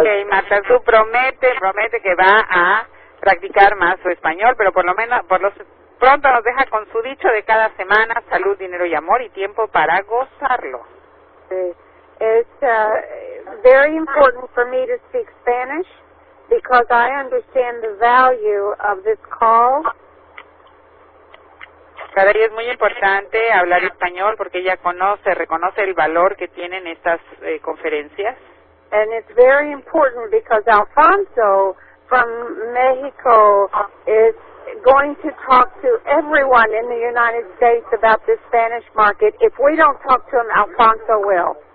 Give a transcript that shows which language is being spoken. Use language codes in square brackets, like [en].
[es] Okay, Marta, tú promete que va a practicar más su español, pero por lo menos pronto nos deja con su dicho de cada semana: salud, dinero y amor y tiempo para gozarlo. [en] It's very important for me to speak Spanish because I understand the value of this call. [es] Para ella es muy importante hablar español porque ella reconoce el valor que tienen estas conferencias. [en] And it's very important because Alfonso from Mexico is going to talk to everyone in the United States about this Spanish market. If we don't talk to him, Alfonso will.